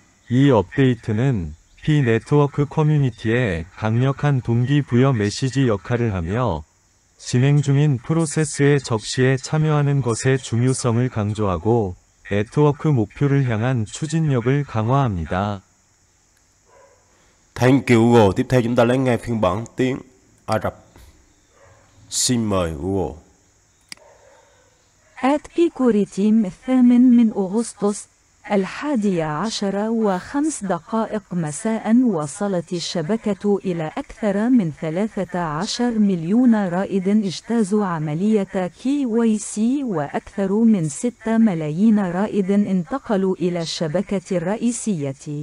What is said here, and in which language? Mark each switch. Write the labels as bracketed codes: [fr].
[ko] 이 업데이트는 P네트워크 커뮤니티에 강력한 동기부여 메시지 역할을 하며 진행 중인 프로세스의 적시에 참여하는 것의 중요성을 강조하고 네트워크 목표를 향한 추진력을 강화합니다. [en] Thank you Google. [vi] Tiếp theo chúng ta lắng nghe phiên bản tiếng Ả Rập. Xin mời Google. [en] At Picuri Team [ar] 8 من أغسطس 11 و5 دقائق مساء وصلت الشبكة إلى أكثر من 13 مليون رائد اجتازوا عملية KYC وأكثر من 6 ملايين رائد انتقلوا إلى الشبكة الرئيسية.